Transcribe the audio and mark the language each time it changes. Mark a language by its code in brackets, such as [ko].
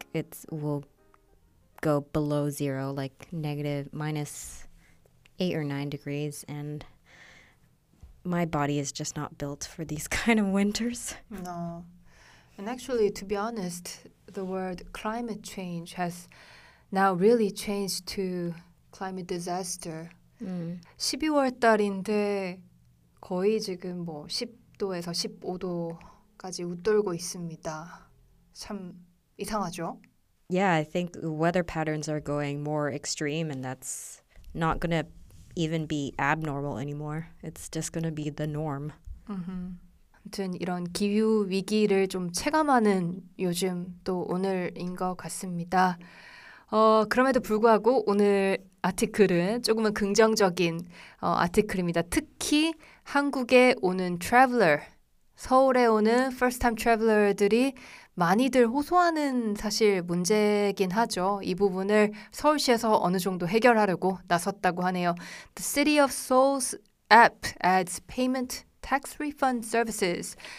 [en] It's will go below zero, like negative minus 8 or 9 degrees, and my body is just not built for these kind of winters. No. And actually, to be honest, the word climate change has now really changed to climate disaster. Mm. [ko] 12월 달인데 거의 지금 뭐 10도에서 15도까지 웃돌고 있습니다. 참 이상하죠? [en] Yeah, I think weather patterns are going more extreme, and that's not going to even be abnormal anymore. It's just going to be the norm. Mm-hmm. [ko] 아무튼 이런 기후 위기를 좀 체감하는 요즘 또 오늘인 것 같습니다. 그럼에도 불구하고 오늘 아티클은 조금은 긍정적인 아티클입니다. 특히 한국에 오는 traveler, 서울에 오는 [en] first time traveler [ko] 들이 많이들 호소하는 사실 문제긴 하죠. 이 부분을 서울시에서 어느 정도 해결하려고 나섰다고 하네요. [en] The City of Seoul's app adds payment tax refund services.